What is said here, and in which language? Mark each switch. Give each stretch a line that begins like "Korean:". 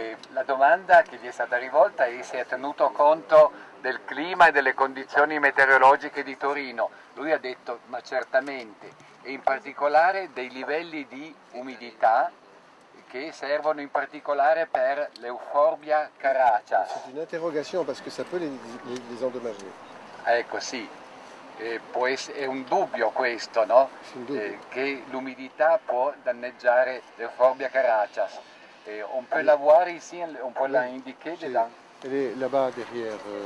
Italian: La domanda che gli è stata rivolta è se ha tenuto conto del clima e delle condizioni meteorologiche di Torino. Lui ha detto ma certamente, e in particolare dei livelli di umidità che servono in particolare per l'Euphorbia caracea.
French: C'est une interrogation parce que ça peut les endommager.
Italian: Ecco, sì. È un dubbio questo, no? Dubbio. Che l'umidità può danneggiare l'Euphorbia caraceas.
French: On peut la voir ici, on peut la indiquer dedans. Elle est là-bas derrière.